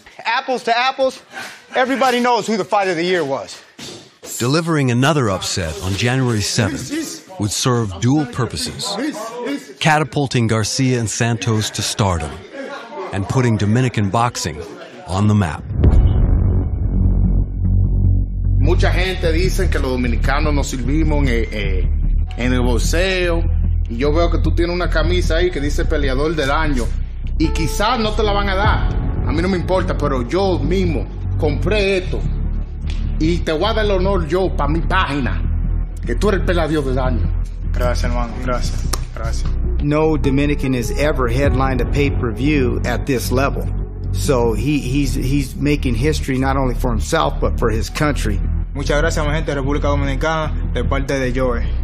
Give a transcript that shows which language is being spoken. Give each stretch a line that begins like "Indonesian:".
English: Apples to apples, everybody knows who the fight of the year was. Delivering another upset on January 7th would serve dual purposes, catapulting Garcia and Santos to stardom and putting Dominican boxing on the map.
Spanish: Mucha gente dice que los dominicanos no servimos en el boxeo. Y yo veo que tú tienes una camisa ahí que dice peleador del año. Y quizás no te la van a dar. A mí no me importa, pero yo mismo compré esto. Y te voy a dar el honor yo para mi página, que tú eres el peladio del año. Gracias, hermano. Gracias. Gracias.
English: No Dominican has ever headlined a pay-per-view at this level. So he's making history not only for himself, but for his country.
Spanish: Muchas gracias, mi gente de República Dominicana, de parte de Joey.